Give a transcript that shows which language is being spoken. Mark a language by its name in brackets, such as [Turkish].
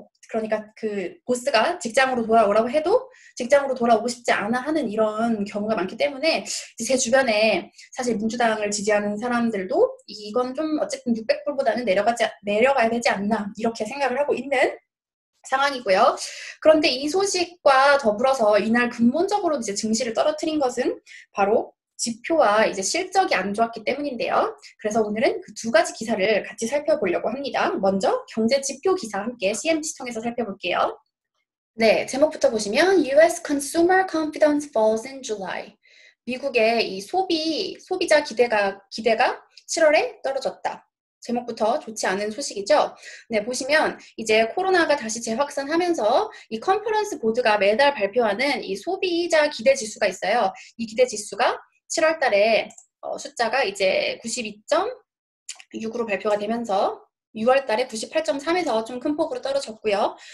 [Korean] 그러니까 그 보스가 직장으로 돌아오라고 해도 직장으로 돌아오고 싶지 않아 하는 이런 경우가 많기 때문에 제 주변에 사실 민주당을 지지하는 사람들도 이건 좀 어쨌든 600불보다는 내려가야 되지 않나 이렇게 생각을 하고 있는 상황이고요. 그런데 이 소식과 더불어서 이날 근본적으로 이제 증시를 떨어뜨린 것은 바로 지표와 이제 실적이 안 좋았기 때문인데요. 그래서 오늘은 그두 가지 기사를 같이 살펴보려고 합니다. 먼저 경제 지표 기사 함께 CNBC 통해서 살펴볼게요. 네, 제목부터 보시면 [English] US Consumer Confidence Falls in July. [Korean] 미국의 이 소비자 기대가 7월에 떨어졌다. 제목부터 좋지 않은 소식이죠? 네, 보시면 이제 코로나가 다시 재확산하면서 이 컨퍼런스 보드가 매달 발표하는 이 소비자 기대 지수가 있어요. 이 기대 지수가 7월 달에 숫자가 이제 92.6으로 발표가 되면서 6월 달에 98.3에서 좀큰 폭으로 떨어졌고요.